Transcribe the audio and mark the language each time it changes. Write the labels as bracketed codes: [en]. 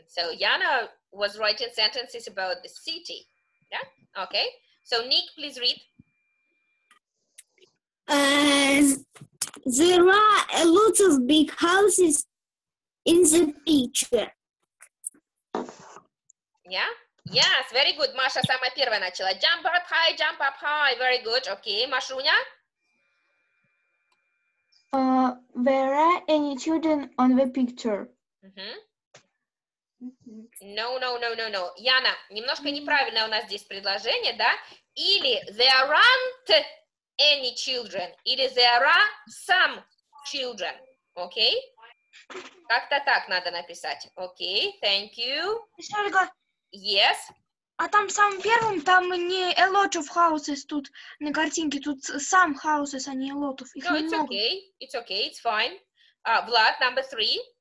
[en] So Yana was writing sentences about the city. Yeah, okay. So Nick, please read. There are a lot of big houses in the picture. Yeah. Yes, very good. [ru] Маша самая первая начала. [en] Jump up high, very good. Okay, Машуня? There are any children on the picture. No, no, no, no, no. [ru] Яна, немножко неправильное у нас здесь предложение, да? Или [en] there aren't any children, или there are some children, okay? [ru] Как-то так надо написать. [en] Okay, thank you. Yes. [ru] А там самым первым там не [en] a lot of houses [ru] тут на картинке тут [en] some houses, [ru] а не [en] a lot of. [ru] Их [en] no, it's [ru] немного. [en] Okay. It's okay. It's fine. Vlad, number three.